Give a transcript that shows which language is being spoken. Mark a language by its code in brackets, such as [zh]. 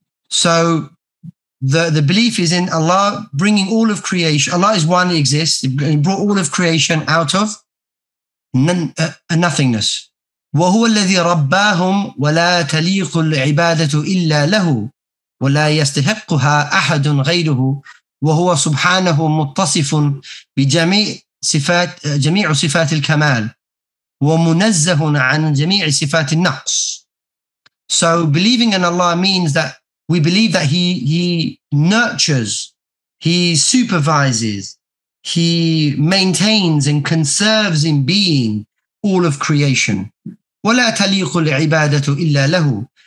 [en] So the belief is in Allah bringing all of creation. Allah is one, He exists. He brought all of creation out of nothingness. [ar] وهو الذي رباهم ولا تليق العبادة إلا له ولا يستحقها أحد غيره وهو سبحانه متصف بجميع صفات الكمال ومنزه عن جميع صفات النقص. [en] So believing in Allah means that we believe that he nurtures, he supervises, he maintains and conserves in being all of creation. [ar] وَلَا تَلِيقُ الْعِبَادَةُ إِلَّا لَهُ.